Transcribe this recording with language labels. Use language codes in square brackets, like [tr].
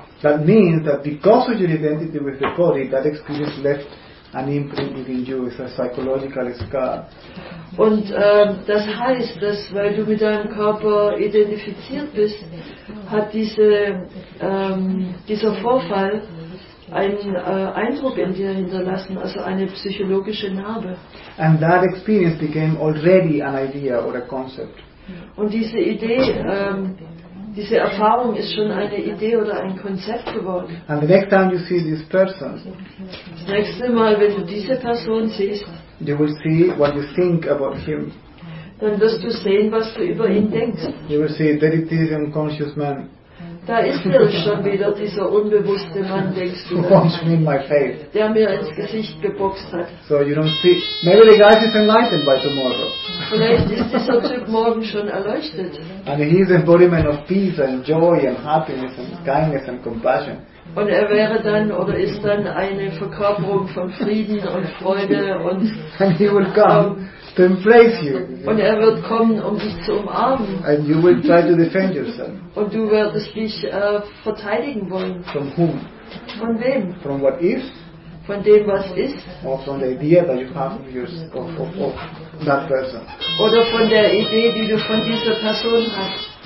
[en] That means that because of your identity with the body, that experience left an imprint within you. It's a psychological scar. [de] Und das heißt, dass weil du mit deinem Körper identifiziert bist, hat dieser Vorfall einen Eindruck in dir hinterlassen, also eine psychologische Narbe. [en] And that experience became already an idea or a concept. [de] Und diese Idee, diese Erfahrung ist schon eine Idee oder ein Konzept geworden. [en] And the next time you see this person, [de] das nächste Mal, wenn du diese Person siehst, [en] you will see what you think about him. [de] Dann wirst du sehen, was du über ihn denkst. [en] You will see that it is an unconscious man. [de] Da ist er schon wieder, dieser unbewusste Mann, denkst du. [en] Who punched me in my face. [de] Der mir ins Gesicht geboxt hat. [en] So you don't see. Maybe the guy is enlightened by tomorrow. [de] Vielleicht ist dieser Typ morgen schon erleuchtet. [en] And he is the embodiment of peace and joy and happiness and kindness and compassion. [de] Und er wäre dann oder ist dann eine Verkörperung von Frieden und Freude und. [en] And he will come. To embrace you. [de] Und er wird kommen, um dich zu umarmen. [en] And you will try to defend yourself. [de] Und du wirst dich verteidigen wollen. [en] From whom? [de] Von wem? [en] From what is? [de] Von dem, was ist? [en] Or from the idea that you have of your of that person. [de] Oder von der Idee, die du von dieser Person hast.